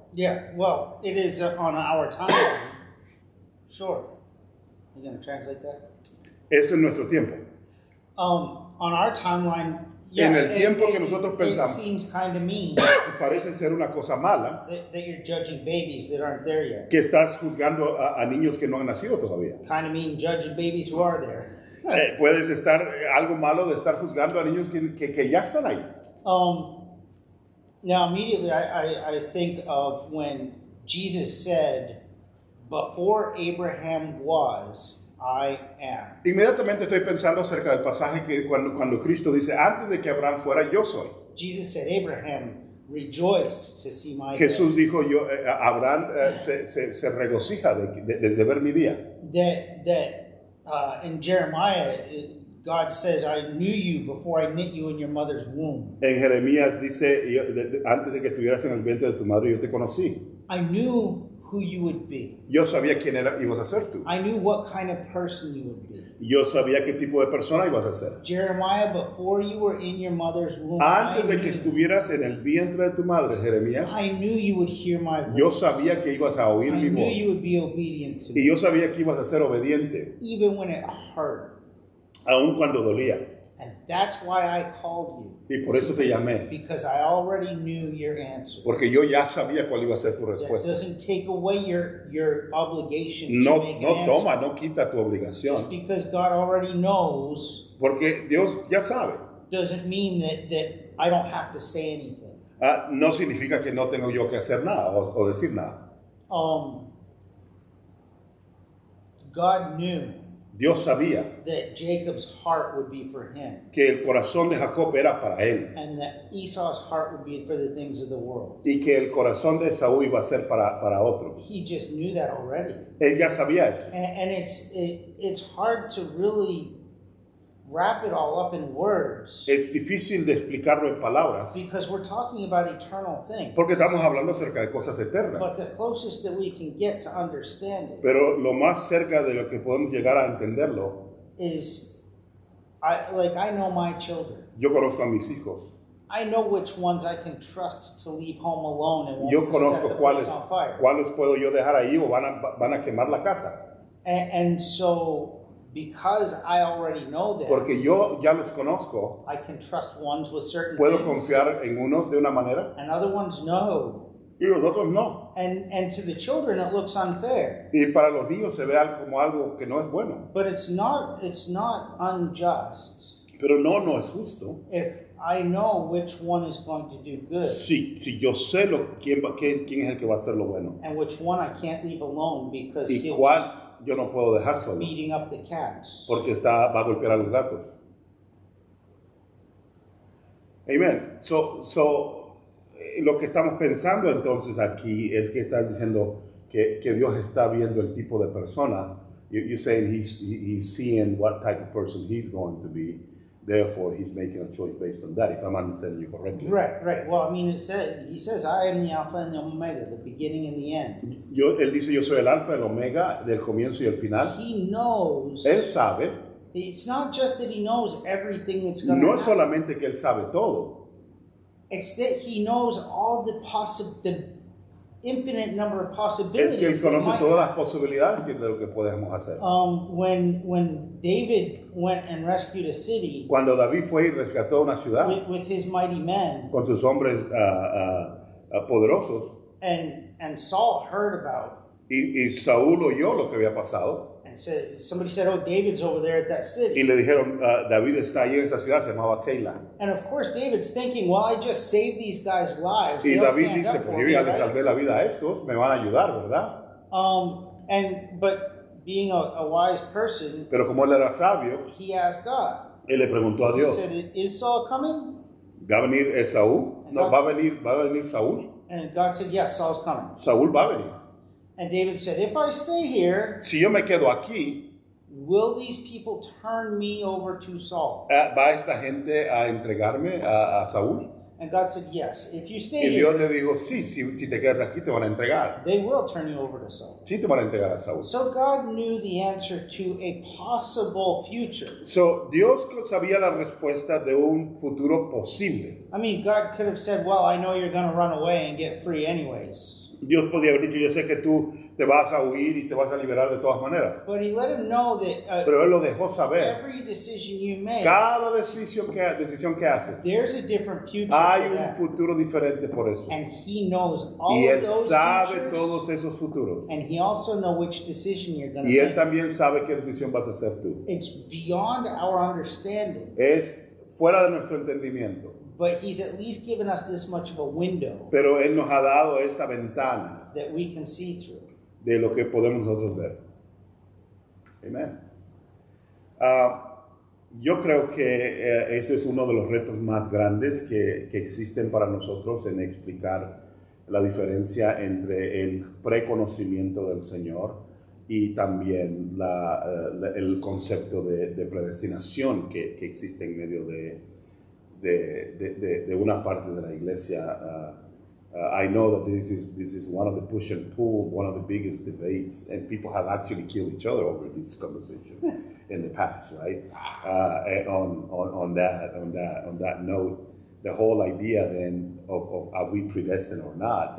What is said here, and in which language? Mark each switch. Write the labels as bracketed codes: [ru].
[en] Yeah, well, it is on our time. Sure. You going to translate that? [es] Esto es nuestro tiempo. [en] On our timeline, yeah, [es] en el tiempo que nosotros pensamos, [en] it seems kind of mean. [es] Parece ser una cosa mala. [en] That you're judging babies that aren't there yet. [es] Que estás juzgando a niños que no han nacido todavía. [en] Kind of mean judging babies who are there. [es] Puedes estar algo malo de estar juzgando a niños que ya están ahí. [en] Now immediately I think of when Jesus said, Before Abraham was, I am. [es] Inmediatamente estoy pensando acerca del pasaje que cuando Cristo dice, antes de que Abraham fuera, yo soy. [en] Jesus said, Abraham rejoiced to see my day. [es] Jesús dijo, Abraham se regocija de ver mi día. [en] That in Jeremiah, God says, I knew you before I knit you in your mother's womb. [es] En Jeremías dice, antes de que estuvieras en el vientre de tu madre, yo te conocí. [en] I knew who you would be. [es] Yo sabía quién era, ibas a ser tú. [en] I knew what kind of person you would be. [es] Yo sabía qué tipo de persona ibas a ser. [en] Jeremiah, before you were in your mother's womb, [es] antes de que estuvieras en el vientre de tu madre, Jeremías, [en] I knew you would hear my voice. [es] Yo sabía que ibas a oír mi voz. [en] I knew you would be obedient to me. [es] Y yo sabía que ibas a ser obediente. [en] Even when it hurt. [es] Aún cuando dolía. [en] And that's why I called you. [es] Y por eso te llamé. [en] Because I already knew your answer. [es] Porque yo ya sabía cuál iba a ser tu respuesta. [en] That doesn't take away your obligation [es] no, [en] to make [es] no [en] an [es] toma, [en] answer. [es] No quita tu obligación. [en] Just because God already knows. [es] Porque Dios ya sabe. [en] Doesn't mean that I don't have to say anything. [es] No significa que no tengo yo que hacer nada o decir nada. [en] God knew. [es] Dios sabía [en] that Jacob's heart would be for him. [es] Que el corazón de Jacob era para él. [en] And that Esau's heart would be for the things of the world. [es] Y que el corazón de Esaú iba a ser para otro. [en] He just knew that already. [es] Él ya sabía eso. [en] And it's hard to really wrap it all up in words. [es] Es difícil de explicarlo en palabras. [en] Because we're talking about eternal things. [es] Porque estamos hablando acerca de cosas eternas. [en] But the closest that we can get to understand it. [es] Pero lo más cerca de lo que podemos llegar a entenderlo. [en] Is, I know my children. [es] Yo conozco a mis hijos. [en] I know which ones I can trust to leave home alone and [es] yo conozco [en] set the place on fire. [es] Cuáles puedo yo dejar ahí o van a quemar la casa. [en] And so. Because I already know them. [es] Porque yo ya los conozco. [en] I can trust ones with certain [es] puedo [en] things. [es] Puedo confiar en unos de una manera. [en] And other ones no. [es] Y los otros no. [en] And to the children it looks unfair. [es] Y para los niños se ve como algo que no es bueno. [en] But it's not unjust. [es] Pero no es justo. [en] If I know which one is going to do good. [es] Si yo sé quién es el que va a hacer lo bueno. [en] And which one I can't leave alone because [es] yo no puedo dejar solo. [en] Beating up the cats. [es] Porque va a golpear a los gatos. [en] Amen. [es] So, lo que estamos pensando entonces aquí es que estás diciendo que Dios está viendo el tipo de persona. [en] You're saying he's seeing what type of person he's going to be. Therefore, he's making a choice based on that, if I'm understanding you correctly. Right, right. Well, I mean, he says, I am the Alpha and the Omega, the beginning and the end. [es] Él dice, yo soy el Alpha, el Omega, del comienzo y el final. [en] He knows. [es] Él sabe. [en] It's not just that he knows everything that's going to [es] no [en] happen. [es] No solamente que él sabe todo. [en] It's that he knows all the the infinite number of possibilities. [es] Es que él conoce todas las posibilidades de lo que podemos hacer. [en] When David went and rescued a city, [es] cuando David fue y rescató una ciudad, [en] with his mighty men, [es] con sus hombres poderosos, [en] and Saul heard about, [es] y Saúl oyó lo que había pasado, [en] and said, somebody said, oh, David's over there at that city. [es] Y le dijeron, David está ahí en esa ciudad, se llamaba Keilah. [en] And of course, David's thinking, well, I just saved these guys' lives. [es] Y David dice, pues yo ya les salvé la vida a estos, me van a ayudar, ¿verdad? [en] But being a wise person, [es] pero como él era sabio, [en] he asked God. [es] Él le preguntó a Dios. [en] He said, is Saul coming? [es] ¿Va a venir Esaú? No, ¿va a venir Saúl? [en] And God said, yes, Saul's coming. [es] Saúl va a venir. [en] And David said, if I stay here, [es] si yo me quedo aquí, [en] will these people turn me over to Saul? [es] ¿Va esta gente a entregarme a Saúl? [en] And God said, yes, if you stay [es] y Dios [en] here, [es] le dijo, sí, si te quedas aquí, te van a entregar. [en] They will turn you over to Saul. [es] Sí, te van a entregar a Saúl. [en] So God knew the answer to a possible future. [es] So Dios sabía la respuesta de un futuro posible. [en] I mean, God could have said, well, I know you're going to run away and get free anyways. [es] Dios podía haber dicho, yo sé que tú te vas a huir y te vas a liberar de todas maneras. [en] But he let him know that, [es] pero él lo dejó saber. [en] Every decision you make, [es] cada decisión que haces, [en] there's a different future. [es] Hay un [en] that. [es] Futuro diferente por eso. [en] And he knows all [es] y él [en] of those [es] sabe [en] futures, [es] todos esos futuros. [en] And he also know which decision you're gonna [es] y él [en] make. [es] También sabe qué decisión vas a hacer tú. [en] It's beyond our understanding. [es] Es fuera de nuestro entendimiento. [en] But he's at least given us this much of a window. [es] Pero él nos ha dado esta ventana [en] that we can see through. [es] de lo que podemos nosotros ver. Amén. Yo creo que ese es uno de los retos más grandes que existen para nosotros en explicar la diferencia entre el preconocimiento del Señor y también el concepto de predestinación que existe en medio de una parte de la iglesia. [en] I know that this is one of the push and pull, one of the biggest debates, and people have actually killed each other over this conversation in the past, right? On that note, the whole idea then of are we predestined or not?